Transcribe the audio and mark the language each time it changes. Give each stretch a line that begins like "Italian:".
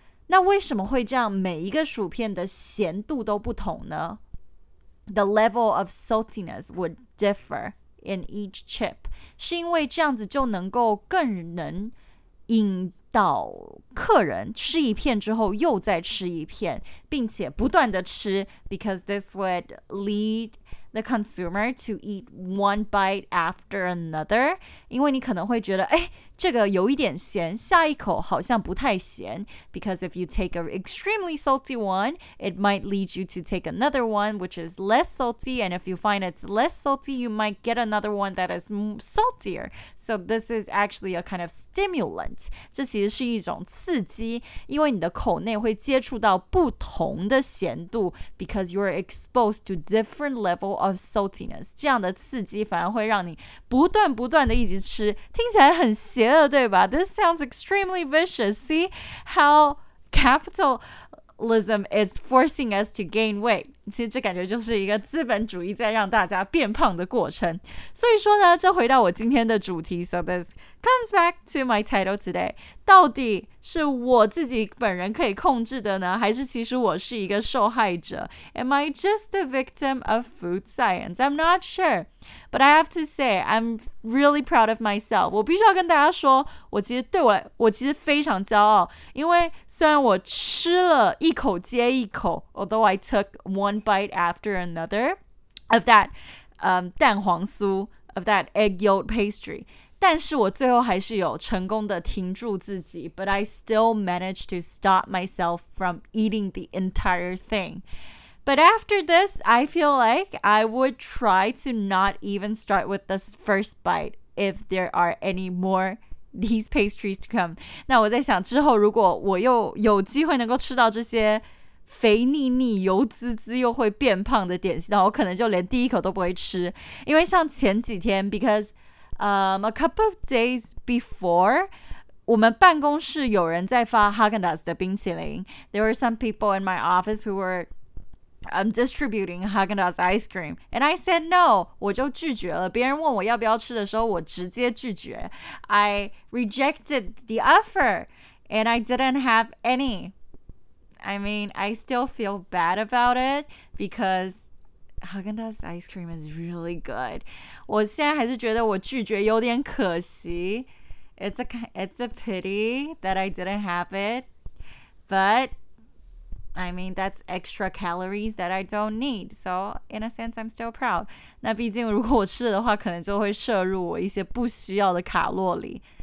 Chinese: 那为什么会这样每一个薯片的咸度都不同呢
English: The level of saltiness would differ in each chip
Chinese: 是因为这样子就能够更能引导客人吃一片之后又再吃一片并且不断的吃
English: Because this would lead the consumer to eat one bite after another
Chinese: 因为你可能会觉得哎。这个有一点咸，下一口好像不太咸。
English: Because if you take an extremely salty one, it might lead you to take another one, which is less salty. And if you find it's less salty, you might get another one that is saltier. So this is actually a kind of stimulant.
Chinese: 这其实是一种刺激，因为你的口内会接触到不同的咸度。
English: Because you are exposed to different level of saltiness.
Chinese: 这样的刺激反而会让你不断不断的一直吃，听起来很咸。邪恶对吧
English: This sounds extremely vicious. See how capitalism is forcing us to gain weight.
Chinese: 其实这感觉就是一个资本主义在让大家变胖的过程。所以说呢，就回到我今天的主题，
English: So this comes back to my title today，
Chinese: 到底是我自己本人可以控制的呢，还是其实我是一个受害者？
English: Am I just a victim of food science? I'm not sure, but I have to say I'm really proud of myself.
Chinese: 我必须要跟大家说，我其实对我来，我其实非常骄傲，因为虽然我吃了一口接一口，
English: although I took one bite after another of that
Chinese: 蛋黄酥
English: of that egg yolk pastry，
Chinese: 但是我最后还是有成功的停住自己，
English: But I still managed to stop myself from eating the entire thing. But after this, I feel like I would try to not even start with the first bite if there are any more these pastries to come.
Chinese: 那我在想之后如果我又有机会能够吃到这些肥腻腻油滋滋又会变胖的点心，那我可能就连第一口都不会吃。因为像前几天
English: becauseA couple of days before,
Chinese: 我们办公室有人在发 Häagen-Dazs 的冰淇淋。
English: There were some people in my office who were distributing Häagen-Dazs ice cream. And I said no,
Chinese: 我就拒绝了。别人问我要不要吃的时候，我直接拒绝。
English: I rejected the offer, and I didn't have any. I mean, I still feel bad about it, because... Häagen-Dazs ice cream is really good.
Chinese: 我现在还是觉得我拒绝有点可惜。
English: It's a pity that I didn't have it. But, I mean, that's extra calories that I don't need. So, in a sense, I'm still proud.
Chinese: 那毕竟如果我吃的话，可能就会摄入我一些不需要的卡路里。